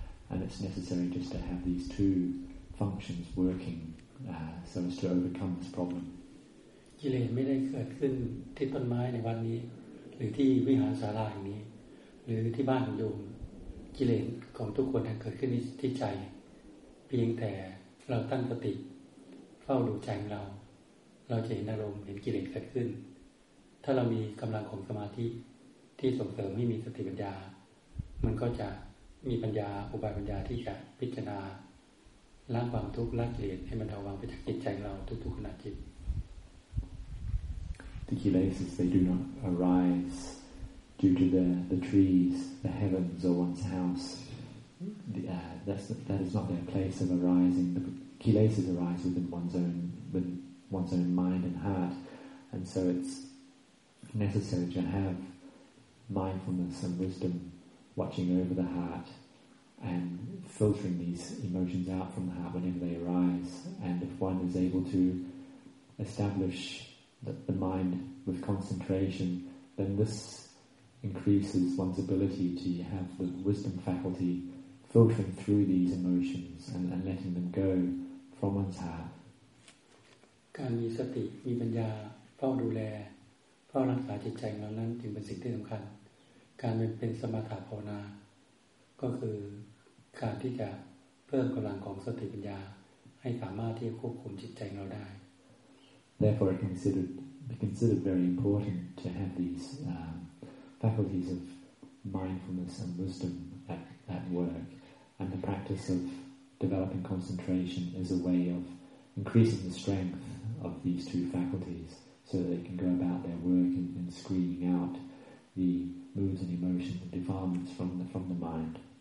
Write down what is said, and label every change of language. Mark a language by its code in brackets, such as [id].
[en] And it's necessary just to have these two functions working so as to overcome this problem. [th] กิเลสไม่ได้เกิดขึ้นที่ต้นไม้ในวันนี้หรือที่วิหารศาลาแห่งนี้หรือที่บ้านของโยมกิเลสของทุกคนเกิดขึ้นที่ใจเพียงแต่เราตั้งสติเฝ้าดูใจของเราเราจะเห็นอารมณ์เห็นกิเลสเกิดขึ้นถ้าเรามีกำลังของสมาธิที่ส่งเสริมให้มีสติปัญญามันก็จะมีปัญญาอุบายปัญญาที่จะพิจารณาล้างความทุกข์ละกิเลสให้มันเบาบางไปจากจิตใจของเราทุกขณะจิต [en] The kilesas they do not arise due to the trees the heavens or one's house that is not their place of arising Kilesas arise within one's own mind and heart, and so it's necessary to have mindfulness and wisdom watching over the heart and filtering these emotions out from the heart whenever they arise. And if one is able to establish the mind with concentration, then this increases one's ability to have the wisdom faculty filtering through these emotions and letting them go from one's heart. [th] การมีสติมีปัญญาเฝ้าดูแลเฝ้ารักษาจิตใจของเรานั้นจึงเป็นสิ่งที่สำคัญการเป็นสมถะภาวนาก็คือการที่จะเพิ่มกำลังของสติปัญญาให้สามารถที่จะควบคุมจิตใจของเราได้ [en] Therefore it be considered very important to have these faculties of mindfulness and wisdom at work and the practice of developing concentration is a way ofincreasing the strength of these two faculties so that they can go about their work in screening out the moods and emotions and defilements from the mind.